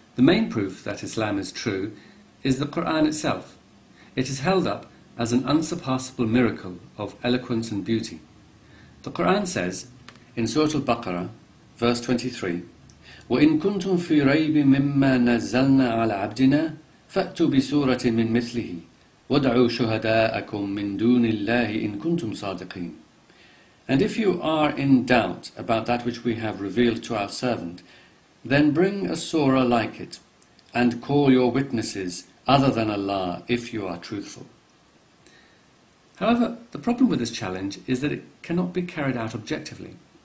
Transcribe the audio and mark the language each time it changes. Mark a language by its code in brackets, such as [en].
[en] The main proof that Islam is true is the Quran itself. It is held up as an unsurpassable miracle of eloquence and beauty. The Quran says in Surah Al-Baqarah, verse 23, [ar] وَإِن كُنْتُمْ فِي رَيْبٍ مِمَّا نَزَّلْنَا عَلَى عَبْدِنَا فَأْتُوا بِسُورَةٍ مِنْ مِثْلِهِ وَدْعُوا شُهَدَاءَكُمْ مِنْ دُونِ اللَّهِ إِن كُنْتُمْ صَادِقِينَ. [en] And if you are in doubt about that which we have revealed to our servant, then bring a surah like it, and call your witnesses other than Allah if you are truthful. However, the problem with this challenge is that it cannot be carried out objectively.